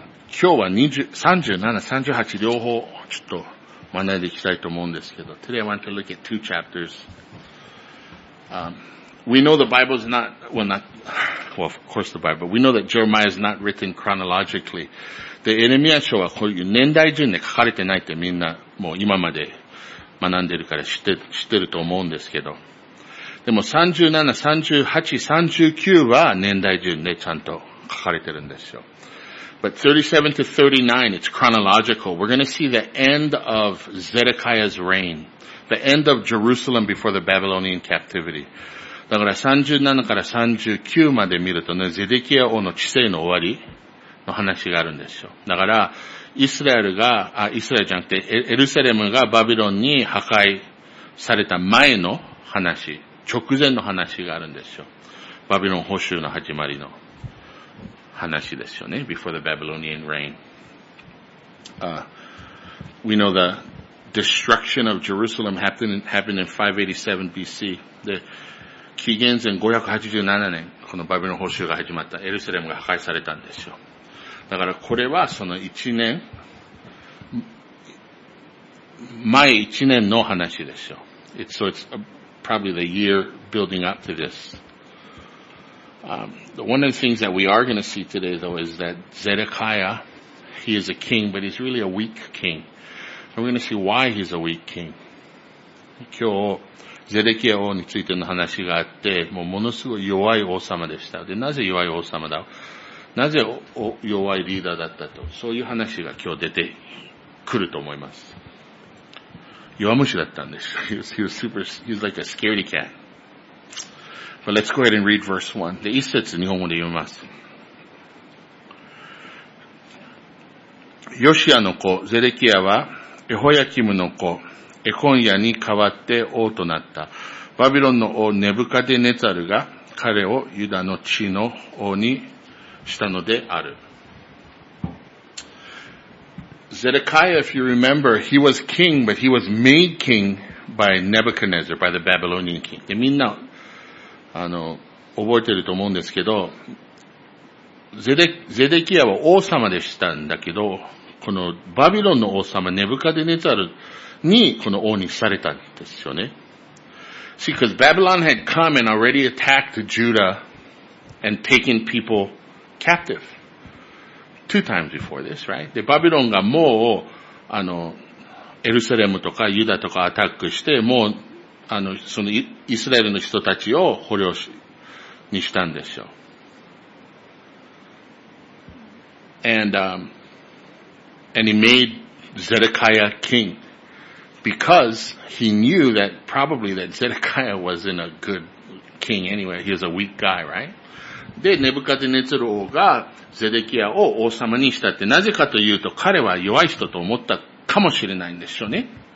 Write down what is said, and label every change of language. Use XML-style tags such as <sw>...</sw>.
<ja>今日は37、38両方ちょっと学んでいきたいと思うんですけど。</ja> <en>Today I want to look at two chapters.、We know the Bible is not, well not, well of course the Bible, we know that Jeremiah is not written chronologically.</en> <ja>で、エレミア書はこういう年代順で書かれてないってみんなもう今まで学んでるから知ってると思うんですけど。でも37、38、39は年代順でちゃんと書かれてるんですよ。</ja> <en>But 37 to 39, it's chronological. We're going to see the end of Zedekiah's reign. The end of Jerusalem before the Babylonian captivity.</en> <ja>だから37から39まで見るとね、ゼデキヤ王の治世の終わりの話があるんですよ。だから、エルサレムがバビロンに破壊された前の話、直前の話があるんですよ。バビロン捕囚の始まりの。話ですよね。</ja> <en>Before the Babylonian reign.、 We know the destruction of Jerusalem happened in 587 BC.</en> <ja>で、紀元前587年、このバビロン捕囚が始まった。エルサレムが破壊されたんですよ。だからこれはその1年、前1年の話ですよ。</ja> <en>It's probably the year building up to this. One of the things that we are going to see today, though, is that Zedekiah, he is a king, but he's really a weak king. And we're going to see why he's a weak king.</en> <ja>今日、ゼデキヤ王についての話があって、もうものすごい弱い王様でした。で、なぜ弱い王様だ?なぜ弱いリーダーだったと、そういう話が今日出てくると思います。弱虫だったんです。</ja> <en>He was like a scaredy cat. But let's go ahead and read verse 1.</en> <ja>一節日本語で読みます。ヨシアの子、ゼデキヤは、エホヤキムの子、エコンヤに代わって王となった。バビロンの王、ネブカデネザルが、彼をユダの地の王にしたのである。</ja> <en>Zedekiah, if you remember, he was king, but he was made king by Nebuchadnezzar, by the Babylonian king.</en> <ja>で、みんな、覚えてると思うんですけど、ゼデキヤは王様でしたんだけど、このバビロンの王様、ネブカデネザルにこの王にされたんですよね。</ja> <en>See, because Babylon had come and already attacked Judah and taken people captive. Two times before this, right?</en> <ja>で、バビロンがもう、エルサレムとかユダとかアタックして、もう、そのイスラエルの人たちを捕虜にしたんですよ。</ja> <en>And he made Zedekiah king because he knew that probably that Zedekiah wasn't a good king anyway. He was a weak guy, right?</en> <ja>で、ネブカデネツル王がゼデキヤを王様にしたってなぜかというと彼は弱い人と思ったかもしれないんですよね。</ja>